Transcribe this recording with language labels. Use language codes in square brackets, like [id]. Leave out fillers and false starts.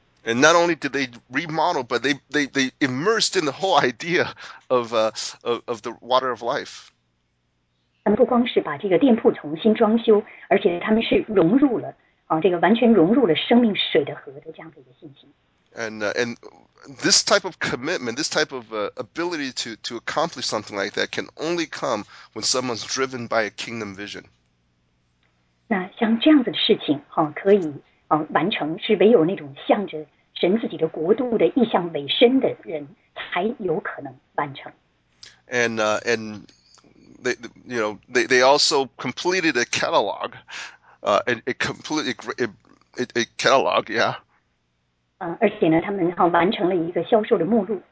[en] And not only did they remodel, but they immersed in the whole idea of the water of life. [zh] 他们不光是把这个店铺重新装修，而且他们是融入了，这个完全融入了生命水的河的这样的一个信心。 [en] And this type of commitment, this type of ability to accomplish something like that can only come when someone's driven by a kingdom vision. [zh] 那像这样子的事情，可以完成，是唯有那种向着 神自己的国度的意向委身的人才有可能完成。 [en] And they, you know, they also completed a catalog, a complete catalog, yeah. [zh] 而且呢，他们完成了一个销售的目录。